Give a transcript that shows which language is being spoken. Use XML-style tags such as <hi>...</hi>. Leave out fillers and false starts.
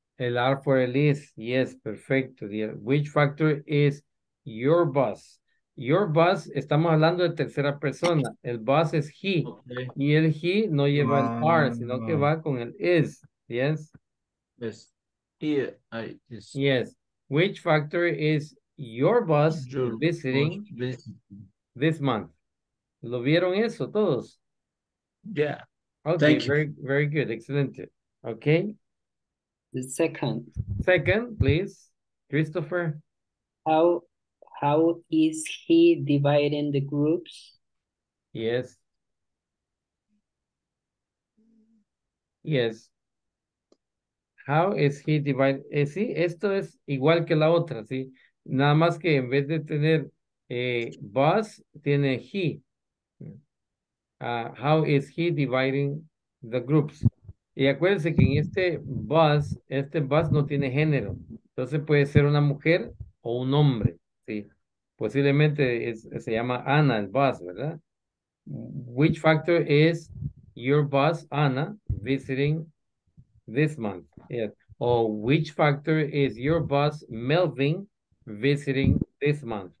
<es>El R por el</es> <en>is. Yes, perfecto. Which factor is your boss? Your boss,</en> <es>estamos hablando de tercera persona. El boss es he. Okay. Y el he no lleva el R, sino que va con el is.</es> <en>Yes? Yes. Yeah, yes. Which factor is your boss visiting this month?</en> <es>¿Lo vieron eso todos?</es> <en>Yeah. Okay, thank you. Very, very good. Excelente. Okay. The second. Second, please. Christopher. How is he dividing the groups? Yes. Yes. How is he dividing?</en> <es>Sí, esto es igual que la otra, sí. Nada más que en vez de tener boss, tiene he.</es> <en>How is he dividing the groups?</en> <es>Y acuérdense que en este boss no tiene género. Entonces puede ser una mujer o un hombre. ¿Sí? Posiblemente se llama Ana, el boss, ¿verdad?</es> <en>Which factor is your boss, Ana, visiting this month? Yeah. O which factor is your boss, Melvin, visiting this month?</en>